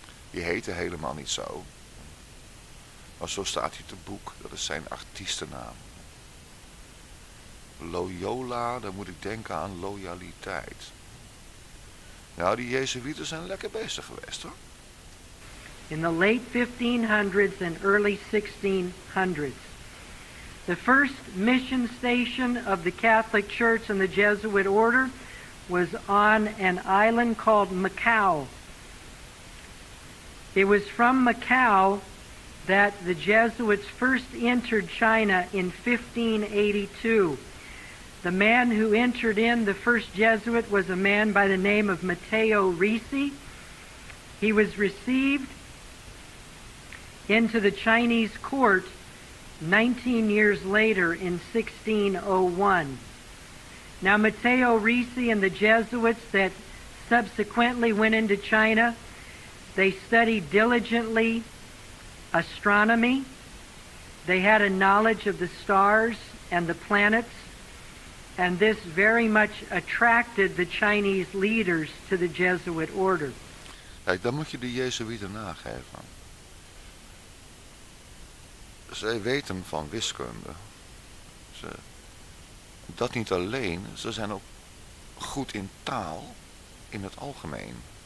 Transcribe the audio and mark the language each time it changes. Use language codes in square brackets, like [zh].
[nl] Die heette helemaal niet zo. Maar zo staat hij te boek, dat is zijn artiestennaam. Loyola, dan moet ik denken aan loyaliteit. Nou, die Jezuïeten zijn lekker bezig geweest, hoor. [en] In the late 1500s and early 1600s, the first mission station of the Catholic Church and the Jesuit order was on an island called Macau. It was from Macau that the Jesuits first entered China in 1582. The man who entered in the first Jesuit was a man by the name of Matteo Ricci. He was received into the Chinese court 19 years later in 1601. Now Matteo Ricci and the Jesuits that subsequently went into China, they studied diligently astronomy. They had a knowledge of the stars and the planets, and this very much attracted the Chinese leaders to the Jesuit order. [nl] Kijk, dan moet je de Jezuïeten nageven. Zij weten van wiskunde. Dat niet alleen, ze zijn ook goed in taal in het algemeen.